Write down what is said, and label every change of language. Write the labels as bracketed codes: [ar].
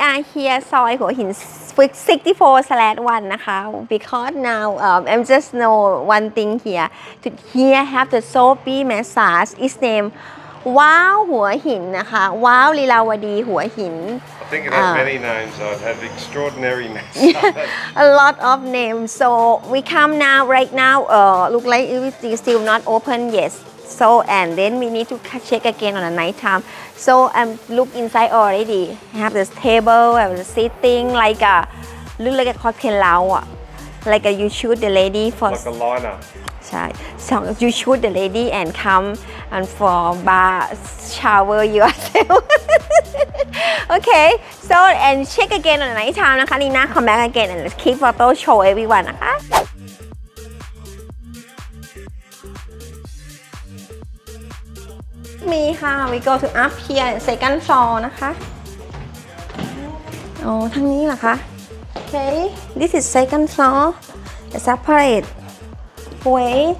[th] เฮียซอยหัวหิน64/1นะคะ [en] because now I'm just know one thing here that here have the soapy massage is name [th] ว้าวหัวหินนะคะว้าวลีลาวดีหัวหิน [en] I think I've had many names I've had extraordinary massage a lot of names so we come now right now look like it is still not open yetSo and then we need to check again on a night time. So I'm look inside already. I have this table, I have the sitting like a look like a cocktail lounge. Like a you shoot the lady for like a liner. Right. So you shoot the lady and come and for bar shower yourself. okay. So and check again on a night time. นะคะ Nina come back again and keep photo show everyone. [th] นะคะมีค่ะ [en] we go to up here second floor [th] นะคะโอ้ทางนี้เหรอคะ [en] okay this is second floor a separate way